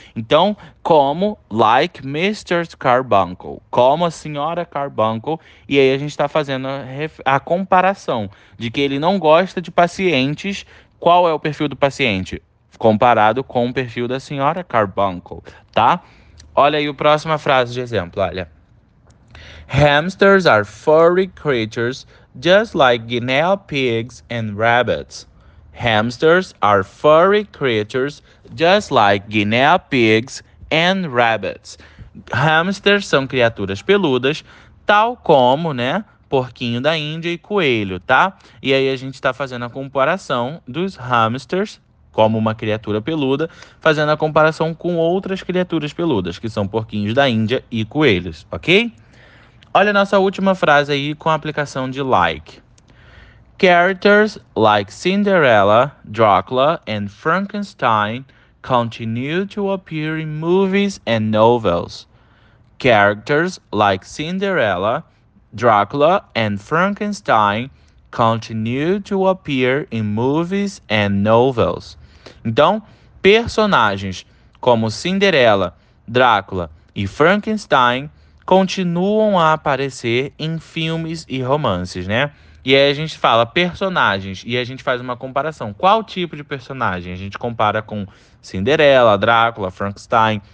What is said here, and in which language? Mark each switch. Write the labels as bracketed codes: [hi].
[pt] Então, como like Mr. Carbuncle, como a senhora Carbuncle. E aí a gente está fazendo a comparação de que ele não gosta de pacientes. Qual é o perfil do paciente? Comparado com o perfil da senhora Carbuncle, tá? Olha aí a próxima frase de exemplo, olha. [en] Hamsters are furry creatures just like guinea pigs and rabbits. Hamsters are furry creatures just like guinea pigs and rabbits. [pt] Hamsters são criaturas peludas, tal como, né, porquinho da Índia e coelho, tá? E aí a gente tá fazendo a comparação dos hamsters como uma criatura peluda, fazendo a comparação com outras criaturas peludas, que são porquinhos da Índia e coelhos, ok? Olha a nossa última frase aí com a aplicação de like. [en] Characters like Cinderella, Dracula and Frankenstein continue to appear in movies and novels. Characters like Cinderella, Dracula and Frankenstein continue to appear in movies and novels. [pt] Então, personagens como Cinderela, Drácula e Frankenstein continuam a aparecer em filmes e romances, né? E aí a gente fala personagens e a gente faz uma comparação. Qual tipo de personagem? A gente compara com Cinderela, Drácula, Frankenstein.